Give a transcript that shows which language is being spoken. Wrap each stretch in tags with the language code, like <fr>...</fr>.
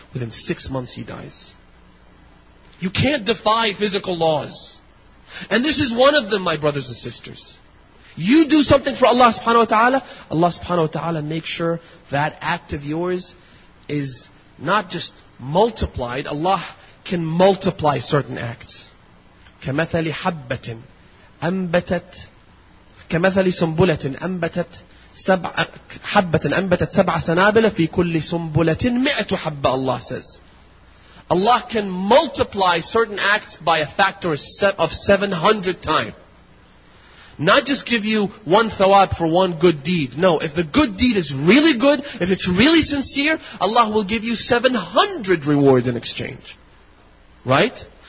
<en>Within 6 months he dies. You can't defy physical laws. And this is one of them, my brothers and sisters. You do something for Allah subhanahu wa ta'ala, Allah subhanahu wa ta'ala makes sure that act of yours is not just multiplied. Allah can multiply certain acts.</en> <ar>كَمَثَلِ حَبَّةٍ أَنْبَتَتْ كَمَثَلِ سُنْبُلَةٍ أَنْبَتَتْ حَبَّةٍ أَنْبَتَتْ سَبْعَ سَنَابِلَ فِي كُلِّ سُنْبُلَةٍ مِئَةُ حَبَّةٍ,</ar> <en>Allah says. Allah can multiply certain acts by a factor of 700 times. Not just give you one thawab for one good deed. No, if the good deed is really good, if it's really sincere, Allah will give you 700 rewards in exchange. Right?</en>